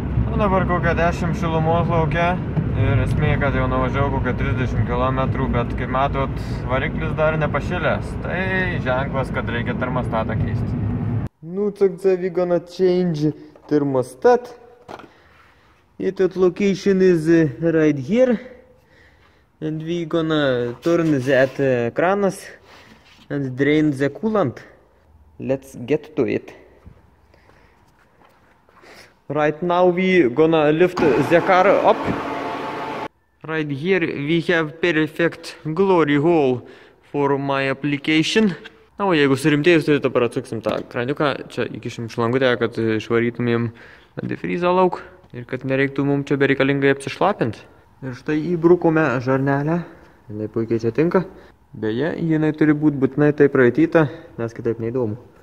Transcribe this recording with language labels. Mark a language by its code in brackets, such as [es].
[lt] Nu, dabar kokia 10 šilumos lauke ir esmė, kad jau nuvažiavau kokia 30 km, bet kaip matot, variklis dar nepašilęs. Tai ženklas, kad reikia termostatą keisti. [en] Nu, [ru] tak za [en] we gonna change thermostat. It location is right here. And we gonna turn that kranas and drain the coolant. Let's get to it. Right now we gonna lift the car up. Right here we have perfect glory hole for my application. [lt] Na, o jeigu surimtėjus, tai dabar atsuksim tą kraniuką, čia įkišim šlangutę, kad išvarytumėm antifrizą lauk ir kad nereiktų mums čia bereikalingai apsišlapint. Ir štai įbrukome žarnelę, jinai puikiai čia tinka. Beje, jinai turi būti būtinai taip praeityta, nes kitaip neįdomu.